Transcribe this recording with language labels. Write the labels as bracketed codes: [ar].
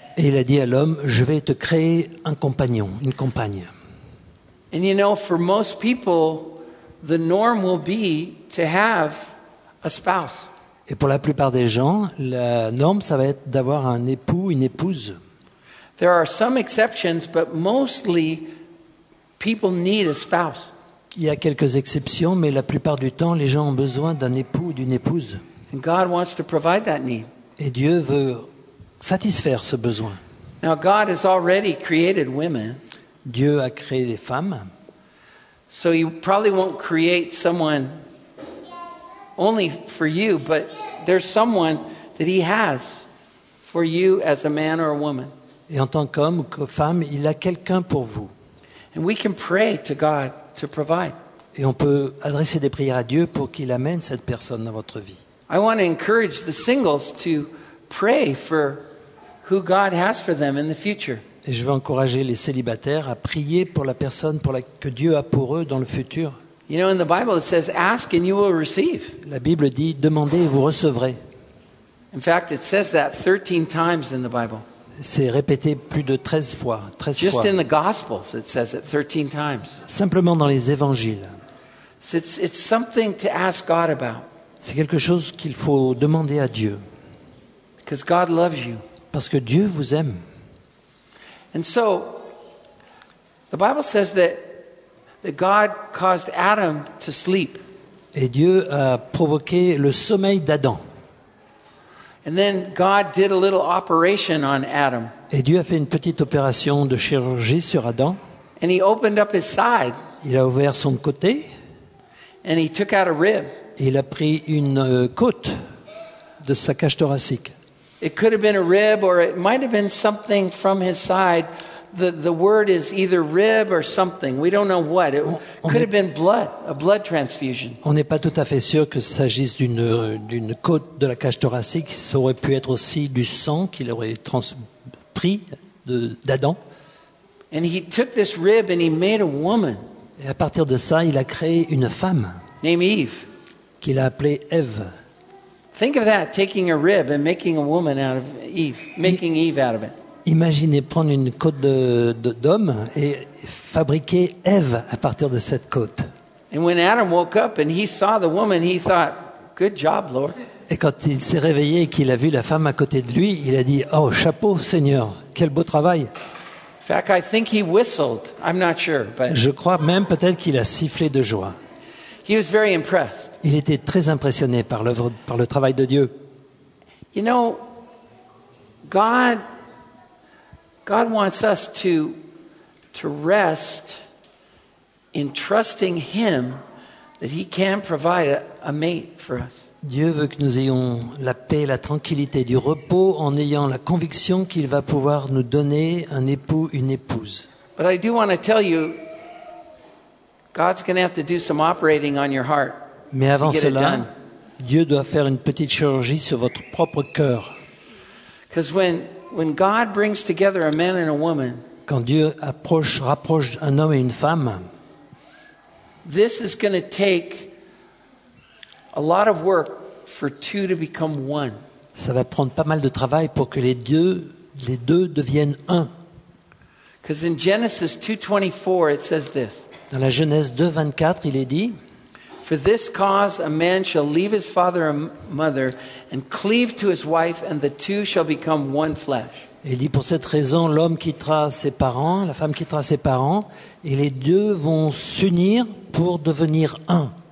[fr] Et il a dit à l'homme, "Je vais te créer un compagnon, une compagne." [en] And you know, for most people, the norm will be to have a spouse. [fr] Et pour la plupart des gens, la norme, ça va être d'avoir un époux, une épouse. [en] There are some exceptions, but mostly people need a spouse. [fr] Il y a quelques exceptions, mais la plupart du temps, les gens ont besoin d'un époux ou d'une épouse. [en] And God wants to provide that need. [fr] Et Dieu veut satisfaire ce besoin. [en] Now, God has already created women. [fr] Dieu a créé des femmes. [en] So he probably won't create someone only for you, but there's someone that he has for you as a man or a woman. [fr] Et en tant qu'homme ou que femme, il a quelqu'un pour vous. [en] And we can pray to God to provide. [fr] Et on peut adresser des prières à Dieu pour qu'il amène cette personne dans votre vie. [en] I want to encourage the singles to pray for who God has for them in the future. [fr] Et je veux encourager les célibataires à prier pour la personne pour la, que Dieu a pour eux dans le futur. [en] You know, in the Bible it says, "Ask and you will receive." [fr] La Bible dit, demandez et vous recevrez. [en] In fact, it says that 13 times in the Bible. [fr] C'est répété plus de 13 fois. 13 [en] Just [fr] fois. [en] In the Gospels, it says it 13 times. [fr] Simplement dans les Évangiles. [en] So it's something to ask God about. [fr] C'est quelque chose qu'il faut demander à Dieu. [en] Because God loves you. [fr] Parce que Dieu vous aime. [en] And so, the Bible says that God caused Adam to sleep. [fr] Et Dieu a provoqué le sommeil d'Adam. [en] And then God did a little operation on Adam. [fr] Et Dieu a fait une petite opération de chirurgie sur Adam. [en] And he opened up his side. [fr] Il a ouvert son côté. [en] And he took out a rib. [fr] Et il a pris une côte de sa cage thoracique. [en] It could have been a rib, or it might have been something from his side. The word is either rib or something. We don't know what. It could have been blood, a blood transfusion. [fr] On n'est pas tout à fait sûr que s'agisse d'une côte de la cage thoracique. Ça aurait pu être aussi du sang qu'il aurait pris d'Adam. [en] And he took this rib and he made a woman. [fr] Et à partir de ça, il a créé une femme. [en] Named Eve. [fr] Qu'il a appelée Ève. [en] Think of that, taking a rib and making a woman out of Eve, making Eve out of it. [fr] Imaginez prendre une côte d'homme et fabriquer Eve à partir de cette côte. [en] And when Adam woke up and he saw the woman, he thought, "Good job, Lord." [fr] Et quand il s'est réveillé et qu'il a vu la femme à côté de lui, il a dit, "Oh, chapeau, Seigneur, quel beau travail." [en] In fact, I think he whistled. I'm not sure, but. [fr] Je crois même peut-être qu'il a sifflé de joie. [en] He was very impressed. [fr] Il était très impressionné par l'œuvre, par le travail de Dieu. [en] You know, God wants us to rest in trusting Him that He can provide a mate for us. [fr] Dieu veut que nous ayons la paix, la tranquillité, du repos en ayant la conviction qu'il va pouvoir nous donner un époux, une épouse. [en] But I do want to tell you, God's going to have to do some operating on your heart. [fr] Mais avant cela, Dieu doit faire une petite chirurgie sur votre propre cœur. [en] Because when God brings together a man and a woman, [fr] quand Dieu rapproche un homme et une femme, [en] this is going to take a lot of work for two to become one. [fr] Ça va prendre pas mal de travail pour que les deux deviennent un. [en] Because in Genesis 2:24, it says this. [fr] Dans la Genèse 2:24, il est dit: [en] For this cause a man shall leave his father and mother and cleave to his wife and the two shall become one flesh. [fr] Et il dit pour cette raison l'homme quittera ses parents, la femme quittera ses parents et les deux vont s'unir pour devenir un.